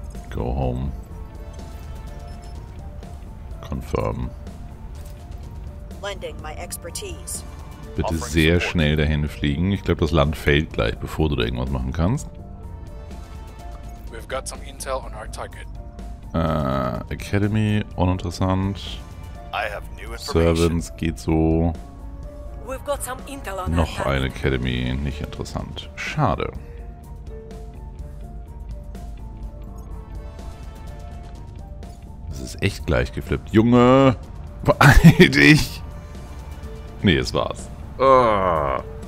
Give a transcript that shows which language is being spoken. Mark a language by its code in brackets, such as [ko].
[en] Go home. Confirm. Lending my expertise. [de] Bitte sehr schnell dahin fliegen. Ich glaube, das Land fällt gleich, bevor du da irgendwas machen kannst. [en] We've got some intel on our target. Academy, uninteressant. I have new information. Servants [de] geht so. [en] We've got some intel on [de] noch eine Academy, nicht interessant. Schade. Es ist echt gleich geflippt. Junge, beeil dich! Nee, es war's. Oh.